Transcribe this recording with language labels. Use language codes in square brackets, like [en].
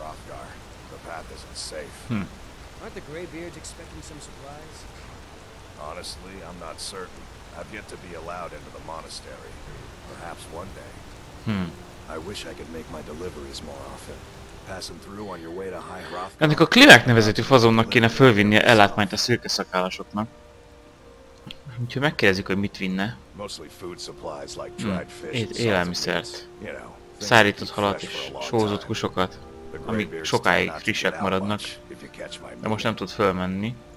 [en] Aren't the Greybeards expecting some surprise? Honestly, I'm not certain. I've yet to be allowed into the monastery. Perhaps one day. I wish I could make my deliveries more often. Passing through on your way to High Roth. [hu] Ennek a Klimák nevezetű fazonnak kéne fölvinnie ellátmányt a szürke szakállasoknak. Úgyhogy megkérdezik, hogy mit vinne. [en] Mostly food supplies like dried fish. [hu] Élelmiszert. Szárított halat és sózott húsokat. Amik sokáig frissek maradnak, de most nem tud fölmenni.